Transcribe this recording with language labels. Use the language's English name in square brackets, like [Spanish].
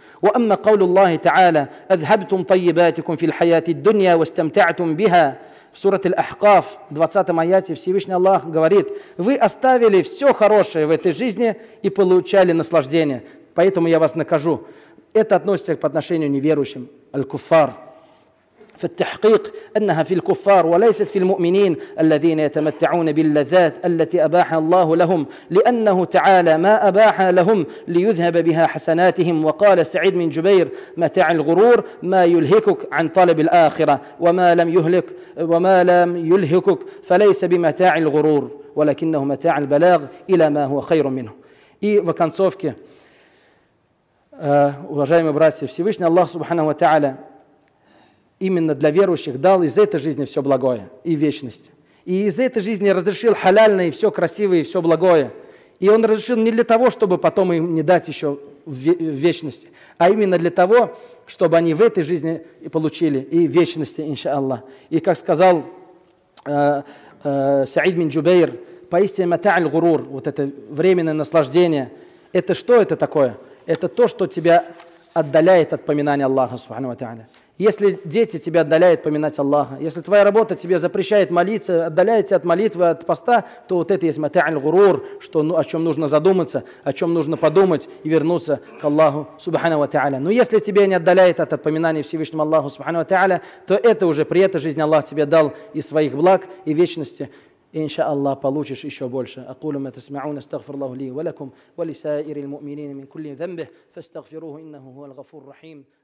[Arabic] وَأَمَّا قَوْلُ اللَّهِ تَعَالَى أَذْهَبْتُمْ طَيِّبَاتِكُمْ فِي الْحَيَاةِ الدُّنْيَا وَاسْتَمْتَعْتُمْ بِهَا. [Russian] В сурате Аль-Ахкаф, 20 аяте, Всевышний Аллах говорит, «Вы оставили все хорошее в этой жизни и получали наслаждение, поэтому я вас накажу». Это относится к отношению неверующим, аль-куффар. [Arabic] فالتحقيق أنها في الكفار وليست في المؤمنين الذين يتمتعون باللذات التي أباح الله لهم لأنه تعالى ما أباح لهم ليذهب بها حسناتهم. وقال سعيد بن جبير متاع الغرور ما يلهكك عن طلب الآخرة وما لم يهلك وما لم يلهكك فليس بمتاع الغرور ولكنه متاع البلاغ إلى ما هو خير منه. [Russian] И в оконцовке, уважаемые братья, Всевышний Аллах Субхана ва Тааля именно для верующих дал из этой жизни все благое и вечность. И из этой жизни разрешил халяльное, и все красивое, и все благое. И он разрешил не для того, чтобы потом им не дать еще вечности, а именно для того, чтобы они в этой жизни и получили и вечности, иншаллах. И как сказал Саид бин Джубейр, поистине мата'аль гурур, вот это временное наслаждение, это что это такое? Это то, что тебя отдаляет от поминания Аллаха, субхану ва тааля. Если дети тебя отдаляют поминать Аллаха, если твоя работа тебе запрещает молиться, отдаляет тебя от молитвы, от поста, то вот это есть мата'аль гурур, что, ну, о чем нужно задуматься, о чем нужно подумать и вернуться к Аллаху субхана ва тааля. Но если тебя не отдаляет от отпоминания Всевышнему Аллаху субхана ва тааля, то это уже при этой жизни Аллах тебе дал из своих благ и вечности. [Arabic] إنشاء الله [Russian] получишь еще больше. [Arabic] أقول ما تسمعون استغفر الله لي ولكم ولسائر المؤمنين من كل ذنبه فاستغفروه إنه هو الغفور الرحيم.